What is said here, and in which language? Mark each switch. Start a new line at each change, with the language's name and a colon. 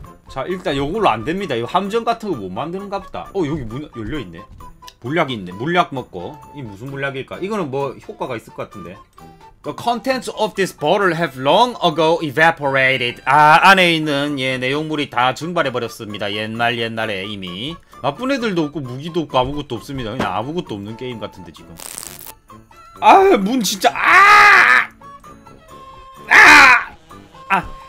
Korean: 자, 일단 요걸로 안 됩니다. 이거 함정 같은 거 못 만드는가 보다. 여기 문 열려있네. 물약이 있네. 물약 먹고. 이게 무슨 물약일까? 이거는 뭐 효과가 있을 것 같은데.
English: The contents of this bottle have long ago evaporated.
Korean: 아, 안에 있는 예 내용물이 다 증발해 버렸습니다. 옛날 옛날에 이미. 나쁜 애들도 없고 무기도 없고 아무것도 없습니다. 그냥 아무것도 없는 게임 같은데 지금. 아, 문 진짜 아! 아! 아.